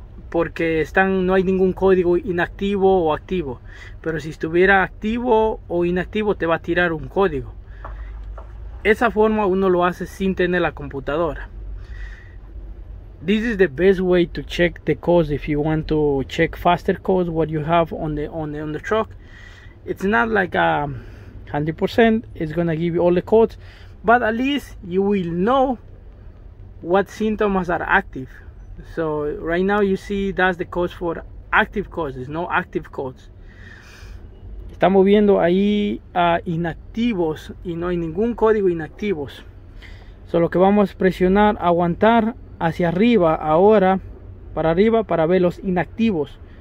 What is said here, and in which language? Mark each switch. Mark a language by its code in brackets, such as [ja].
[es] Porque no hay ningún código inactivo o activo. Pero si estuviera activo o inactivo, te va a tirar un código. Esa forma uno lo hace sin tener la computadora. [en] This is the best way to check the codes. If you want to check faster codes, what you have on the truck, it's not like 100%. It's gonna give you all the codes, but at least you will know what symptoms are active. So right now you see that's the codes for active codes, no active codes. [es] Estamos viendo ahí inactivos y no hay ningún código inactivos. So lo que vamos a presionar, aguantar. Hacia arriba, ahora, para arriba, para ver los inactivos.